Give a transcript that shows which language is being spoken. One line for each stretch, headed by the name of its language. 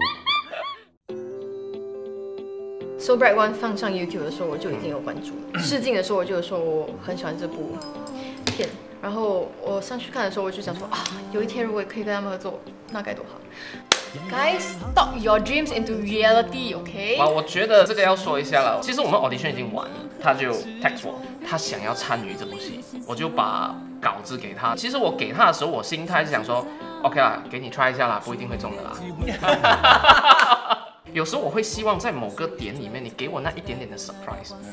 Chinese: 。 So Bright One 放上 YouTube 的时候，我就已经有关注。试镜的时候，我就说我很喜欢这部片。然后我上去看的时候，我就想说啊，有一天如果可以跟他们合作，那该多好。
English: Guys, stop your dreams into reality, OK?
Chinese: 哇，我觉得这个要说一下了。其实我们 audition 已经完了，他就 text 我，他想要参与这部戏，我就把稿子给他。其实我给他的时候，我心态是想说 ，OK 啦，给你 try 一下啦，不一定会中的啦。有时候我会希望在某个点里面，你给我那一点点的 surprise。